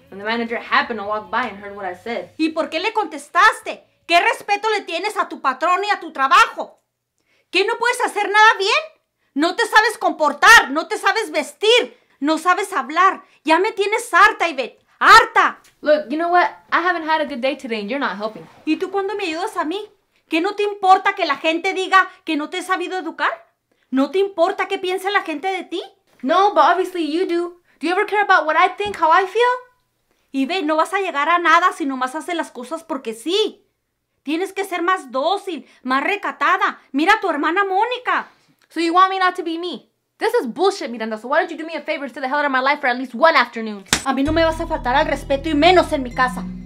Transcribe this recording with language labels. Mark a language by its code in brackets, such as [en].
[en] And the manager happened to walk by and heard what I said. [es] ¿Y por qué le contestaste? ¿Qué respeto le tienes a tu patrón y a tu trabajo? ¿Qué no puedes hacer nada bien? No te sabes comportar, no te sabes vestir, no sabes hablar. Ya me tienes harta, Yvette. ¡Harta! [en] Look, you know what? I haven't had a good day today and you're not helping. [es] ¿Y tú cuándo me ayudas a mí? ¿Qué no te importa que la gente diga que no te he sabido educar? ¿No te importa qué piense la gente de ti? [en] No, but obviously you do. Do you ever care about what I think, how I feel? [es] Yvette, no vas a llegar a nada si nomás haces las cosas porque sí. Tienes que ser más dócil, más recatada. Mira a tu hermana Mónica. [en] So you want me not to be me? This is bullshit, Miranda. So why don't you do me a favor and stay the hell out of my life for at least one afternoon? [es] A mí no me vas a faltar al respeto y menos en mi casa.